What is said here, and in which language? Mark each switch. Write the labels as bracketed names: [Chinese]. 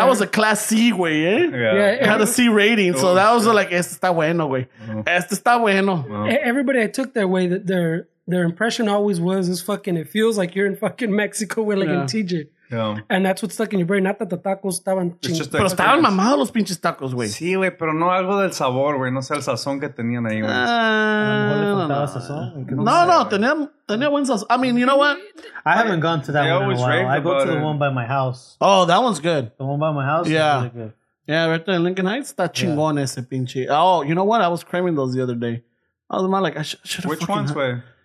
[English] that was a class C, güey, eh? Yeah. It had a C rating, so that was like, este está bueno, güey. Uh-huh. Este está bueno. Uh-huh. Everybody I took their way, their impression always was, is fucking, it feels like you're in fucking Mexico, güey, like in TJ. Yeah. And that's what stuck in your brain. Not that the tacos estaban [Spanish] chingados. Pero estaban mamados los pinches tacos, güey. Sí, güey, pero no algo del sabor, güey. No sé el sazón que tenían ahí, güey. A lo mejor le faltaba sazón. [English] No, tenía buen sazón. I mean, you know what? I haven't gone to that one in a while. I go to the one by my house. Oh, that one's good. The one by my house? Yeah. Really good. Yeah, right there in Lincoln Heights. Está chingón ese pinche. Oh, you know what? I was craving those the other day. I was like, I should have. Which ones, güey?